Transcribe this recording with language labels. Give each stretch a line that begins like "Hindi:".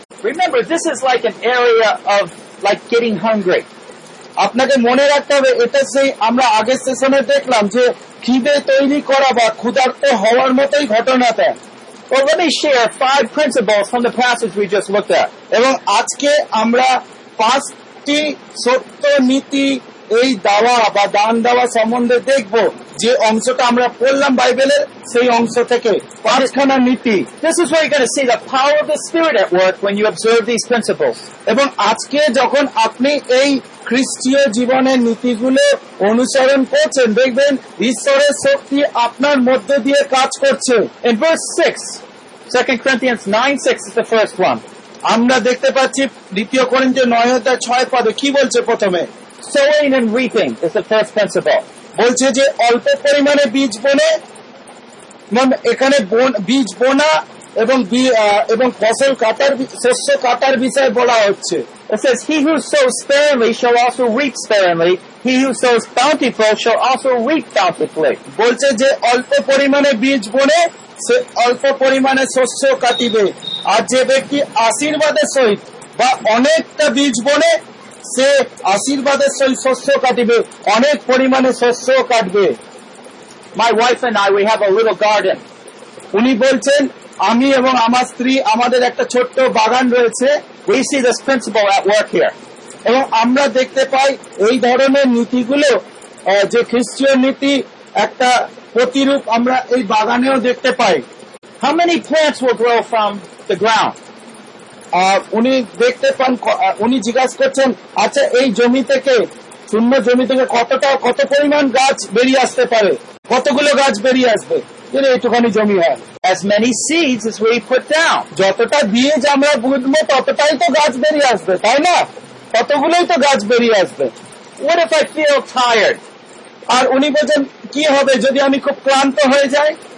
English: Remember, this is like an area of like getting hungry.
Bangla: আপনাকে মনে রাখতে হবে এটা সেই আমরা আগের সেশনে দেখলাম যে খিদে তৈরি করা বা ক্ষুধার্ত হওয়ার মতোই ঘটনাটা.
English: Well, let me share five principles from the passage we just looked at.
Bangla: এবং আজকে আমরা পাঁচটি সত্য নীতি এই দাওয়া বা দান দেওয়া সম্বন্ধে দেখব, যে অংশটা আমরা পড়লাম বাইবেলের সেই অংশ থেকে পাঁচখানা নীতি.
English: This is where you're going to see the power of the Spirit at work when you observe these principles.
Bangla: এবং আজকে যখন আপনি এই খ্রিস্টীয় জীবনের নীতিগুলো অনুসরণ করছেন দেখবেন ঈশ্বরের শক্তি আপনার মধ্যে দিয়ে কাজ করছে.
English: In verse 6, 2 Corinthians 9:6 is the first one.
Bangla: আমরা দেখতে পাচ্ছি দ্বিতীয় করিন্থীয় 9:6 পদে কি বলছে প্রথমে?
English: Sowing and reaping is the first principle.
Bangla: বলছে যে অল্প পরিমাণে বীজ বনে, মানে এখানে বীজ বোনা এবং ফসল কাটার শস্য কাটার বিষয়ে বলা হচ্ছে.
English: It says, he who sows sparingly shall also reap sparingly. He who sows bountifully shall also reap bountifully.
Bangla: বলছে যে অল্প পরিমাণে বীজ বনে সে অল্প পরিমাণে শস্য কাটিবে, আর যে ব্যক্তি আশীর্বাদের সহিত বা অনেকটা বীজ বনে সে আশীর্বাদের সহিত শস্য কাটিবে, অনেক পরিমাণে শস্য কাটবে.
English: My wife and I, we have a little garden.
Bangla: উনি বলছেন আমি এবং আমার স্ত্রী আমাদের একটা ছোট্ট বাগান রয়েছে.
English: We see this principle at work here.
Bangla: এবং আমরা দেখতে পাই এই ধরনের নীতিগুলো, যে খ্রিস্টীয় নীতি একটা প্রতিরূপ আমরা এই বাগানেও দেখতে পাই.
English: How many plants will grow from the ground?
Bangla: উনি দেখতে পান, উনি জিজ্ঞাসা করছেন আচ্ছা এই জমি থেকে, শূন্য জমি থেকে কতটা কত পরিমাণ গাছ বেরিয়ে আসতে পারে, কতগুলো গাছ বেরিয়ে আসবে যদি এইটুকানি জমি হয়?
English: As many seeds as we put down.
Bangla: যতটা বীজ আমরা বুঝবো ততটাই তো গাছ বেরিয়ে আসবে তাই না? ততগুলোই তো গাছ বেরিয়ে আসবে.
English: What if I feel tired?
Bangla: আর উনি বলছেন কি হবে যদি আমি খুব ক্লান্ত হয়ে যাই?